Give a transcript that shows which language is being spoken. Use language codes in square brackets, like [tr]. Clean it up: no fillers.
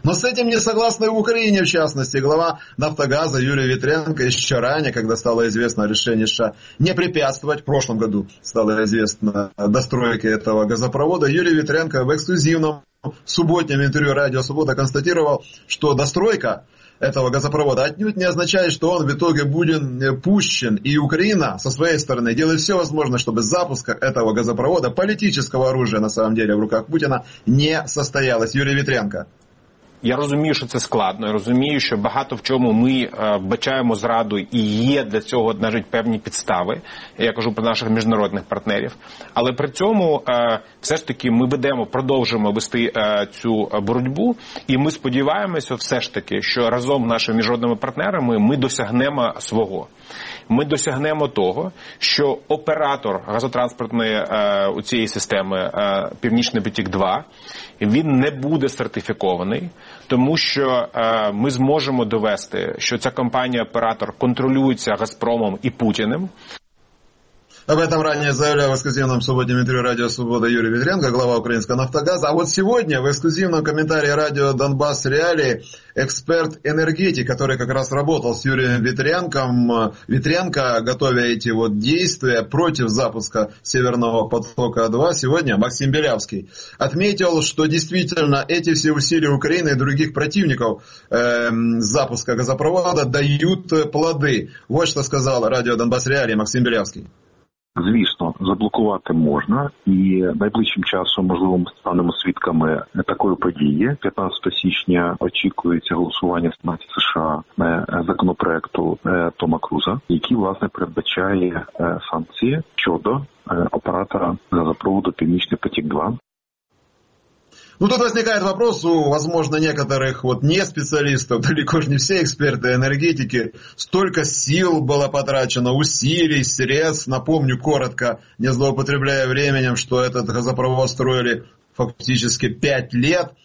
[ru] Но с этим не согласны в Украине, в частности. Глава «Нафтогаза» Юрий Ветренко еще ранее, когда стало известно решение США не препятствовать, в прошлом году стало известно достройке этого газопровода, Юрий Ветренко в эксклюзивном субботнем интервью «Радио Свобода» констатировал, что достройка этого газопровода отнюдь не означает, что он в итоге будет пущен. И Украина со своей стороны делает все возможное, чтобы запуск этого газопровода, политического оружия на самом деле в руках Путина, не состоялось. Юрий Ветренко. [uk] Я розумію, що це складно. Я розумію, що багато в чому ми вбачаємо зраду і є для цього навіть певні підстави. Я кажу про наших міжнародних партнерів. Але при цьому все ж таки ми ведемо, продовжуємо вести цю боротьбу. І ми сподіваємося все ж таки, що разом з нашими міжнародними партнерами ми досягнемо свого. Ми досягнемо того, що оператор газотранспортної у цієї системи «Північний потік-2», він не буде сертифікований, тому що ми зможемо довести, що ця компанія-оператор контролюється «Газпромом» і «Путіним». [ru] Об этом ранее заявлял в эксклюзивном субботнем интервью «Радио Свобода» Юрий Ветренко, глава украинского «Нафтогаза». А вот сегодня в эксклюзивном комментарии «Радио Донбасс Реалии» эксперт энергетики, который как раз работал с Юрием Ветренко, готовя эти вот действия против запуска «Северного потока-2», сегодня Максим Белявский отметил, что действительно эти все усилия Украины и других противников запуска газопровода дают плоды. Вот что сказал «Радио Донбасс Реалии» Максим Белявский. [uk] Звісно, заблокувати можна, і найближчим часом, можливо, ми станемо свідками такої події. 15 січня очікується голосування в Сенаті США законопроекту Тома Круза, який, власне, передбачає санкції щодо оператора газопроводу «Північний потік-2». [ru] Ну, тут возникает вопрос у, возможно, некоторых вот не специалистов, далеко же не все эксперты энергетики. Столько сил было потрачено, усилий, средств. Напомню коротко, не злоупотребляя временем, что этот газопровод строили фактически 5 лет.